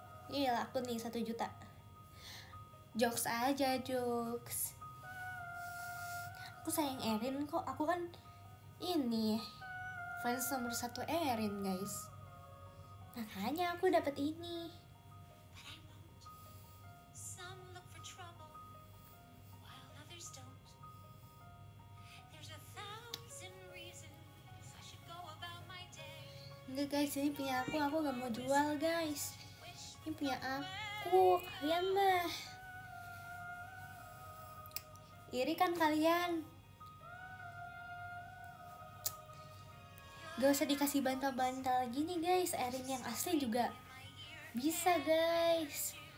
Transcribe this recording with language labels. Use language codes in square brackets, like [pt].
[id] Iyalah, aku nih 1 juta. Jokes aja, jokes. Aku sayang Erin kok. Aku kan ini fans nomor 1 Erin, guys. Makanya aku dapat ini. [en] Some look for trouble while others don't. There's a thousand reasons I should go about my day. [id] Enggak guys, ini punya aku enggak mau jual, guys. Ini punya aku, kalian mah. Iri kan kalian? Gak usah dikasih bantal-bantal gini guys, Erin yang asli juga bisa guys.